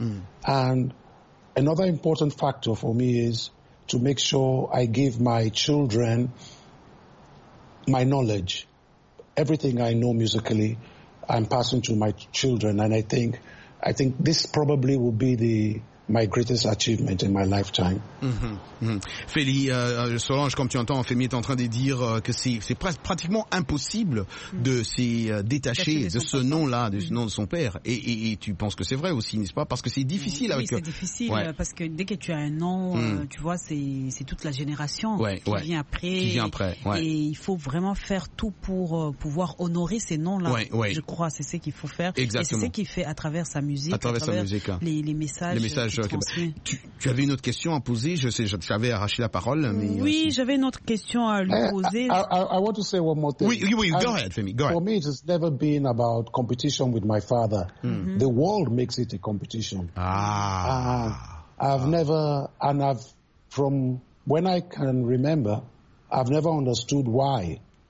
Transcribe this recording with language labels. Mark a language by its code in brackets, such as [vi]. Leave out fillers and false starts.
[en] Mm. And another important factor for me is to make sure I give my children my knowledge. Everything I know musically, I'm passing to my children. And I think this probably will be the my greatest achievement in my lifetime. [fr] Féli, Solange, comme tu entends, Femi est en train de dire que c'est presque pratiquement impossible de s'y détacher de ce nom-là, de ce nom de son père. Et tu penses que c'est vrai aussi, n'est-ce pas? Parce que c'est difficile oui, avec... Oui, c'est difficile, ouais. Parce que dès que tu as un nom, tu vois, c'est toute la génération vient après. Qui vient après, Et il faut vraiment faire tout pour pouvoir honorer ces noms-là. Je crois, c'est ce qu'il faut faire. Exactement. Et c'est ce qu'il fait à travers sa musique, les messages. Tu avais une autre question à poser, j'avais arraché la parole. Mais oui, j'avais une autre question à lui poser. [en] I want to say one more thing. [fr] Oui, [en] go ahead, Femi. For me, it has never been about competition with my father. Mm-hmm. The world makes it a competition. Ah. From when I can remember, I've never understood why.